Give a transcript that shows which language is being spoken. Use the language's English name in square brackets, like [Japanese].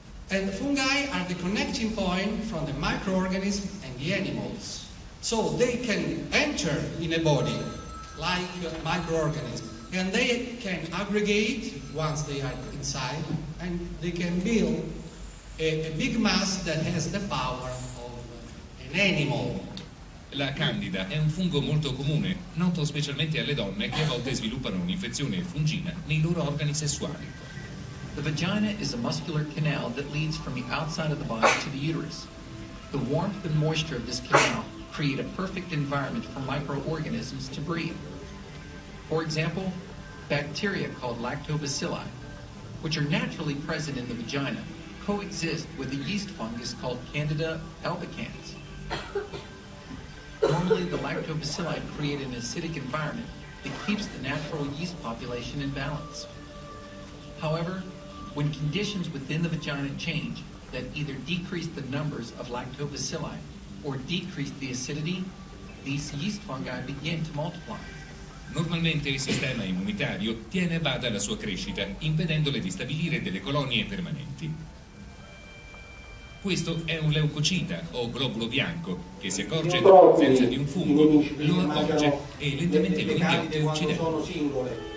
[English] And the fungi are the connecting point from the microorganism and the animals. So they can enter in a body like a microorganism, and they can aggregate once they are inside, and they can build a big mass that has the power of an animal. [Italian] La candida è un fungo molto comune, noto specialmente alle donne che a volte sviluppano un'infezione fungina nei loro organi sessuali. [English] The vagina is a muscular canal that leads from the outside of the body to the uterus. The warmth and moisture of this canal create a perfect environment for microorganisms to breed. For example, bacteria called lactobacilli, which are naturally present in the vagina, coexist with a yeast fungus called Candida albicans. Normally, the lactobacilli create an acidic environment that keeps the natural yeast population in balance. However, when conditions within the vagina change that either decrease the numbers of lactobacilli or decrease the acidity, these yeast fungi begin to multiply. [Italian] Normalmente il sistema immunitario tiene bada la sua crescita, impedendole di stabilire delle colonie permanenti. Questo è un leucocita o globulo bianco che si accorge della presenza di un fungo, lo avvolge e lentamente lo rimette uccidendo.